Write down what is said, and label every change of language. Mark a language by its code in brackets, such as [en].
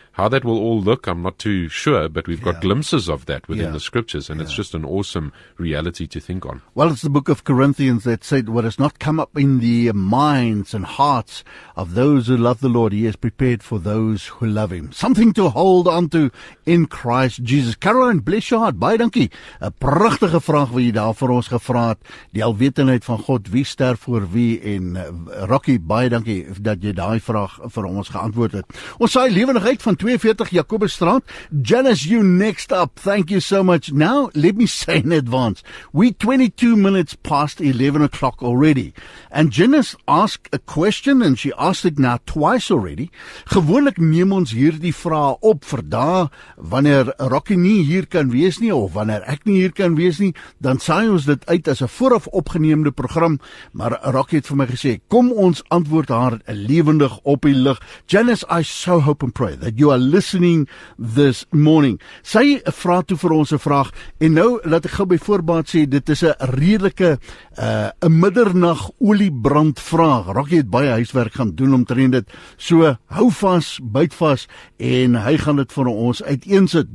[en] How that will all look, I'm not too sure, but we've got glimpses of that within the scriptures, and it's just an awesome reality to think on. Well, it's the book of Corinthians that said, what has not come up in the minds and hearts of those who love the Lord, he has prepared for those who love him. Something to hold on to in Christ Jesus. Caroline, bless your heart. [af] Baie dankie. 'N pragtige vraag wat jy daar vir ons gevra het. Die alwetendheid van God, wie sterf voor wie? En Rocky, baie dankie dat jy daai vraag vir ons geantwoord het. Ons saai lewendigheid van 42 Jakobusstraat. [en] Janice, you next up. Thank you so much. Now, let me say in advance, we 22 minutes past 11 o'clock already. And Janice asked a question, and she asked it now twice already. [af] Gewoonlik neem ons hier die vraag op vir daar, wanneer Rocky nie hier kan wees nie, of wanneer ek nie hier kan wees nie, dan saai ons dit uit as 'n vooraf opgeneemde program. Maar Rocky het vir my gesê, kom ons antwoord haar lewendig op die lig. [en] Janice, I so hope and pray that you are listening this morning. [af] Sy vra toe vir ons 'n vraag, en nou laat ek gou by voorbaat sê, dit is 'n redelike 'n middernag oliebrand vraag. Rocky het baie huiswerk gaan doen omtrent dit. So hou vas, byt vas, en hy gaan dit vir ons uiteensit.